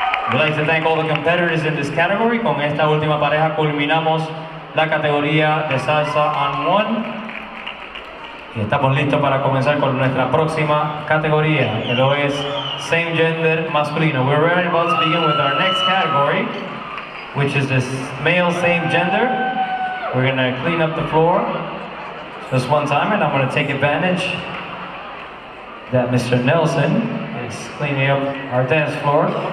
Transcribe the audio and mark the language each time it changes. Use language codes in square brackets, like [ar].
[en] We'd like to thank all the competitors in this category. [es] Con esta última pareja culminamos la categoría de salsa on one. Y estamos listos para comenzar con nuestra próxima categoría, que lo es same gender masculino. [en] We're right about to begin with our next category, which is this male same gender. We're gonna clean up the floor just one time, and I'm gonna take advantage that Mr. Nelson is cleaning up our dance floor.